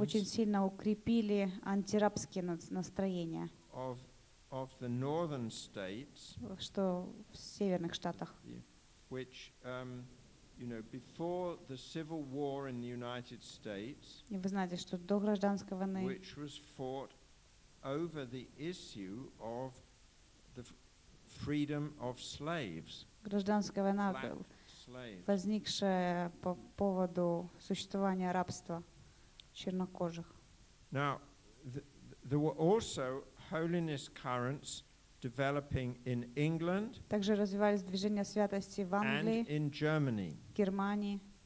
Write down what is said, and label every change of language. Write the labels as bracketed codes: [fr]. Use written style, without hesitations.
[ru] Очень сильно укрепили антирабские настроения. [en] Of the northern states, [ru] что в северных штатах, [en] which you know, before the civil war in the United States, [ru] и вы знаете, что до гражданской войны, [en] which was fought over the issue of the freedom of slaves, [ru] гражданская война была возникшая по поводу существования рабства чернокожих. [en] Now, there were also holiness currents developing in England and in Germany.